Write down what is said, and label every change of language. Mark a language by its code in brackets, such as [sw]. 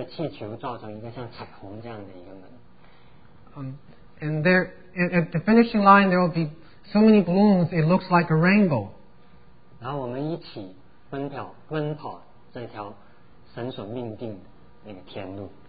[zh] 然后那个起点也是那个终点，然后在那有一个彩色的气球，造成一个像彩虹这样的一个门。 [en] And there, at the finishing line, there will be so many balloons. It looks like a rainbow. [zh] 然后我们一起奔跑，奔跑这条神所命定的那个天路。